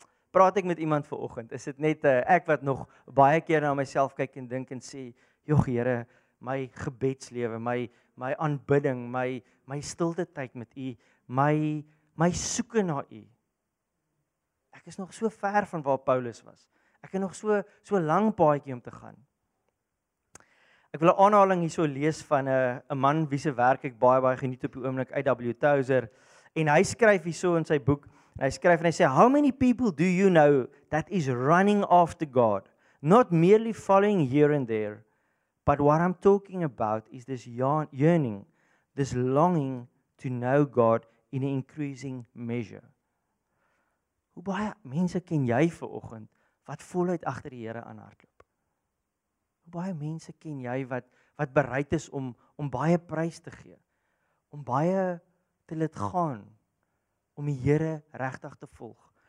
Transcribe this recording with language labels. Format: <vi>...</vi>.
<af>Praat ek met iemand vanoggend, is dit net ek wat nog baie keer na myself kyk en dink en sê, jog Here, my gebedslewe, my aanbidding, my stilte tyd met U, my soeke na U. Ek is nog so ver van waar Paulus was. Ek het nog so lang paadjie om te gaan. Ek wil 'n aanhaling hierso lees van 'n man wie se werk ek baie geniet op die oomblik, W. Tozer, en hy skryf hierso in sy boek. Hy skryf en hy sê,</af> <en>how many people do you know that is running after God? Not merely following here and there, but what I'm talking about is this yearning, this longing to know God in an increasing measure.</en> <af>Hoe baie mense ken jy vanoggend wat voluit agter die Here aan hardloop? Hoe baie mense ken jy wat bereid is om baie prys te gee, om baie te laat gaan, om die Here regtig te volg?</af>